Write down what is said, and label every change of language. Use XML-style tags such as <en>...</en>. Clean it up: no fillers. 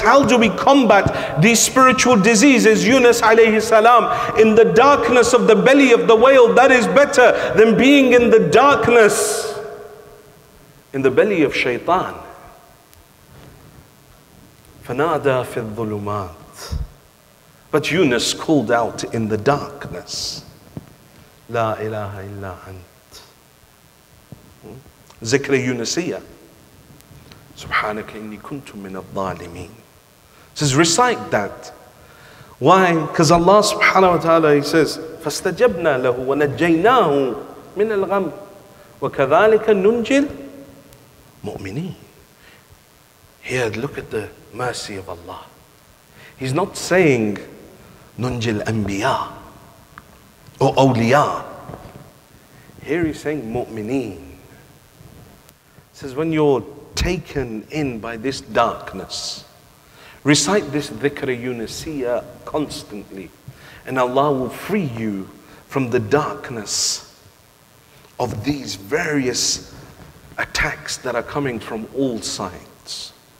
<en>How do we combat these spiritual diseases? Yunus alayhi salam, in the darkness of the belly of the whale, that is better than being in the darkness in the belly of shaitan.</en> <ar>فنادى في الظلمات.</ar> <en>But Yunus called out in the darkness,</en> <ar>لا إله إلا أنت. ذكر يونسية. سبحانك إني كنت من الظالمين.</ar> <en>Says recite that. Why? Because Allah subhanahu wa ta'ala, he says,</en> <ar>فَاسْتَجَبْنَا لَهُ وَنَجَّيْنَاهُ مِنَ الْغَمْ وَكَذَلِكَ نُنْجِي الْمُؤْمِنِينَ.</ar> <en>Here, look at the mercy of Allah. He's not saying</en> <ar>نُنْجِي الْأَنْبِيَاء</ar> <en>or أَوْلِيَاء. Here he's saying مُؤْمِنِينَ. He says, when you're taken in by this darkness, recite this dhikr yunusiyya constantly, and Allah will free you from the darkness of these various attacks that are coming from all sides.</en>